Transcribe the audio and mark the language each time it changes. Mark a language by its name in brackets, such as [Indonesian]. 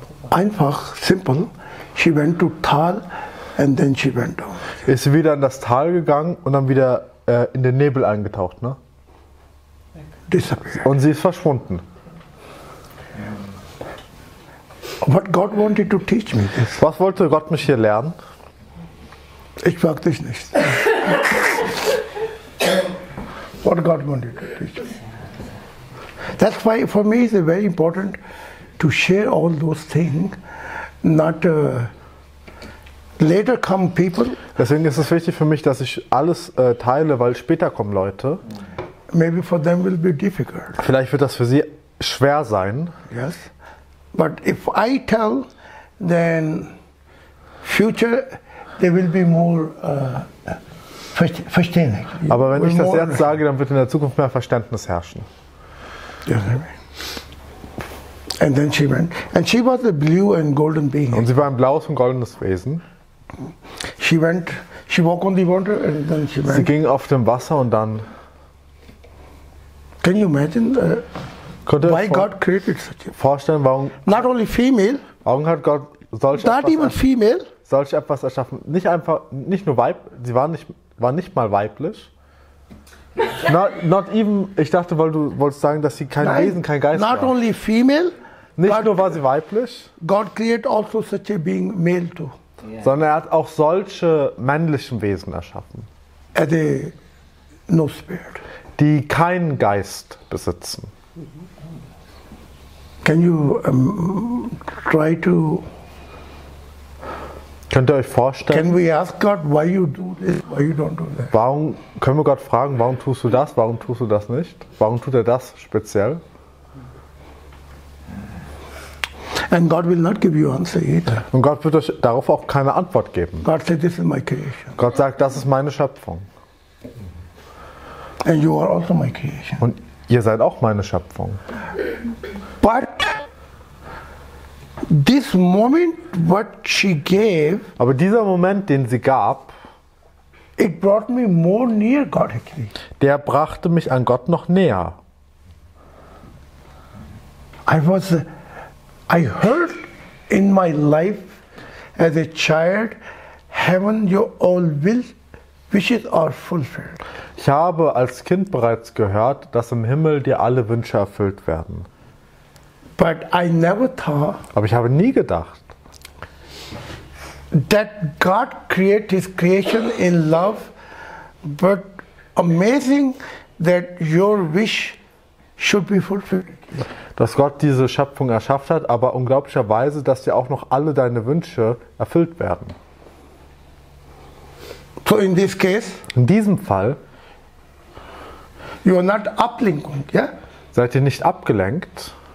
[English] Einfach, simple, she went to Tal and then she went down. [German] Ist sie wieder in das Tal gegangen und dann wieder in den Nebel eingetaucht, ne? [English] Disappeared. [German] Und sie ist verschwunden. [English] But God wanted to teach me this. [German] Was wollte Gott mich hier lernen? Ich frag dich nicht. [English] What God wanted to teach me. That's why for me it's very important to share all those things, not later come people. [German] Deswegen ist es wichtig für mich, dass ich alles teile, weil später kommen Leute. [English] Maybe for them will be difficult. [German] Vielleicht wird das für sie schwer sein. [English] Yes. But if I tell, then future they will be more verständlich. [German] Aber wenn ich das jetzt sage, dann wird in der Zukunft mehr Verständnis herrschen. [English] Yes. And then she went. And she was a blue and golden being. [German] Und sie war ein blaues und goldenes Wesen. [English] She went. She walked on the water and then she went. [German] Sie ging auf dem Wasser und dann. [English] Can you imagine why God created such a? [German] Vorstellen, warum? [English] Not only female. [German] Warum hat Gott solche? [English] Not even female. [German] Solch etwas erschaffen. Nicht einfach. Nicht nur weib. Sie war nicht mal weiblich. [English] Not even, [German] ich dachte, weil du wolltest sagen, dass sie kein Wesen, kein Geist [English] not [German] war. [English] Not only female. [German] Nicht nur war sie weiblich. [English] God created also such a being male too. Yeah. [German] Sondern er hat auch solche männlichen Wesen erschaffen. [English] At a no spirit. [German] Die keinen Geist besitzen. [English] Can you try to... [German] Könnt ihr euch vorstellen? [English] Can we ask God why you do this, why you don't do that? [German] Warum können wir Gott fragen, warum tust du das, warum tust du das nicht? Warum tut er das speziell? [English] And God will not give you answer either. [German] Und Gott wird euch darauf auch keine Antwort geben. [English] God said, this is my creation. [German] Gott sagt, das ist meine Schöpfung. [English] And you are also my creation. [German] Und ihr seid auch meine Schöpfung. [English] But this moment, what she gave, [German] aber dieser Moment, den sie gab, [English] it brought me more near God again. [German] Der brachte mich an Gott noch näher. [English] I heard in my life as a child, heaven your all will wishes are fulfilled. [German] Ich habe als Kind bereits gehört, dass im Himmel dir alle Wünsche erfüllt werden. [English] But I never thought, [German] aber ich habe nie gedacht, [English] that God created his creation in love, but amazing that your wish should be fulfilled. [German] Dass Gott diese Schöpfung erschafft hat, aber unglaublicherweise, dass dir auch noch alle deine Wünsche erfüllt werden. [English] So in this case, [German] in diesem Fall, [English] you are not uplinking, yeah? [German] Seid ihr nicht abgelenkt?